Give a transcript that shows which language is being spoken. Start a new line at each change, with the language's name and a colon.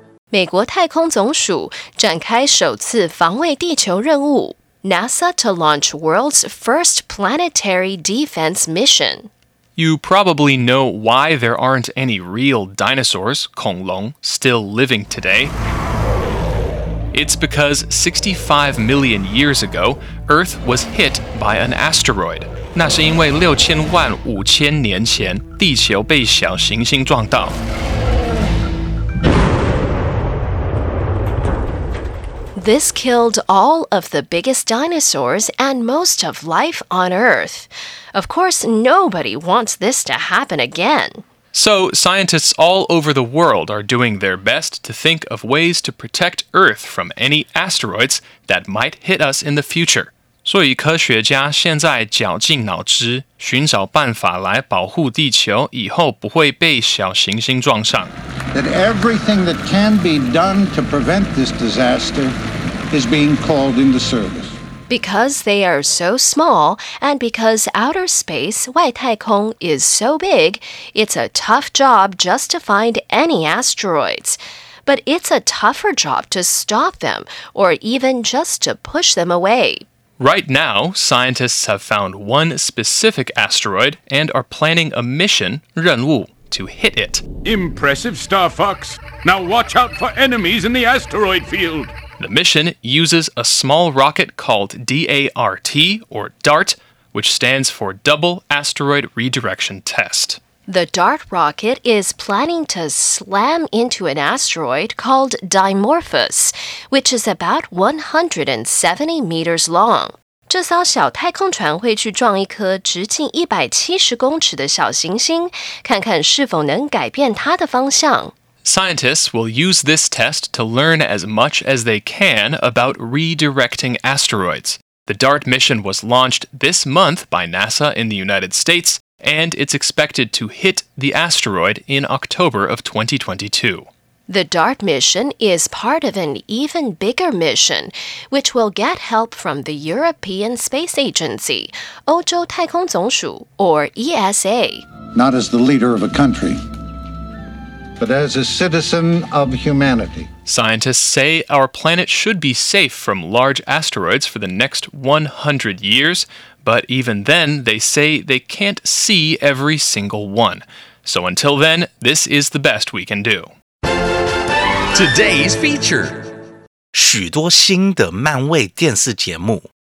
Chinese: 美国太空总署展开首次防卫地球任务
English: NASA to launch world's first planetary defense mission. You probably know why there aren't any real dinosaurs, 恐龙, still living today. It's because 65 million years ago, Earth was hit by an asteroid.
Chinese: 那是因为六千万五千年前地球被小行星撞到。
English: This killed all of the biggest dinosaurs and most of life on Earth. Of course, nobody wants this to happen again. So, scientists all over the world are doing their best to think of ways to protect Earth from any asteroids that might hit us in the future.
Chinese: 所以科学家现在绞尽脑汁，寻找办法来保护地球以后不会被小行星撞上。
English: That everything that can be done to prevent this disaster is being called into service. Because they are so small, and because outer space, 外太空, is so big, it's a tough job just to find any asteroids. But it's a tougher job to stop them, or even just to push them away. Right now, scientists have found one specific asteroid and are planning a mission, 任务。To hit it. Impressive, Star Fox. Now watch out for enemies in the asteroid field. The mission uses a small rocket called DART, or DART, which stands for Double Asteroid Redirection Test. The DART rocket is planning to slam into an asteroid called Dimorphos, which is about 170 meters long.
Chinese: 这艘小太空船会去撞一颗直径170公尺的小行星，看看是否能改变它的方向。
English: Scientists will use this test to learn as much as they can about redirecting asteroids. The DART mission was launched this month by NASA in the United States, and it's expected to hit the asteroid in October of 2022. The DART mission is part of an even bigger mission, which will get help from the European Space Agency, 欧洲太空总署, or ESA. Not as the leader of a country, but as a citizen of humanity. Scientists say our planet should be safe from large asteroids for the next 100 years, but even then, they say they can't see every single one. So until then, this is the best we can do. Today's feature.
Chinese: 许多新的漫威电视节目.